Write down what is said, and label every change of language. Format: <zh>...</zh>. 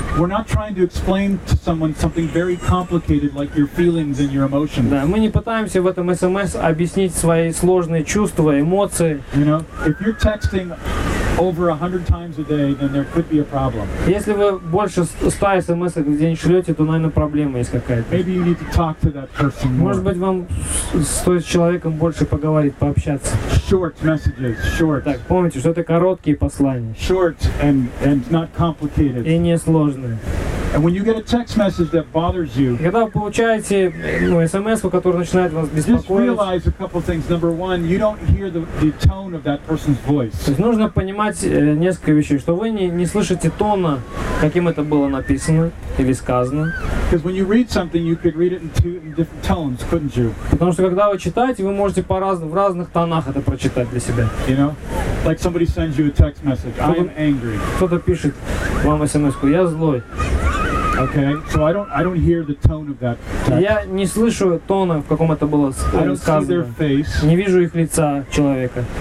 <en>we're not trying to explain to someone something very complicated like your feelings and your emotions.</en> <ru>Да, мы не пытаемся в этом SMS объяснить свои сложные чувства, эмоции.</ru> <en>You know, if you're texting over 100 times a day, then there could be a problem.</en> <ru>Если вы больше 100 смс в день шлете, то, наверное, проблема есть какая-то.</ru> <en>Maybe you need to talk to that person more.</en> <ru>Может быть, вам стоит с человеком больше поговорить, пообщаться.</ru> <en>Short messages, short.</en> <ru>Так, помните, что это короткие послания.</ru> <en>Short and not complicated.</en> <ru>И несложные.</ru> <en>And when you get a text message that bothers you,</en> <ru>когда вы получаете смс, который начинает вас беспокоить,</ru> <en>just realize a couple things. Number one, you don't hear the tone of that person's voice.</en> <ru>То есть нужно понимать несколько вещей, что вы не слышите тона, каким это было написано или сказано.</ru> <en>Because when you read something, you could read it in two different tones, couldn't you?</en> <ru>Потому что когда вы читаете, вы можете в разных тонах это прочитать для себя.</ru> <en>You know, like somebody sends you a text message, I am angry.</en> <ru>Кто-то пишет вам смс-ку, я злой.</ru> <en>Okay, so I don't hear the tone of that text.</en> <ru>Я не слышу тона, в каком это было сказано.</ru> <en>I don't see their face.</en> <ru>Не вижу их лица человека.</ru>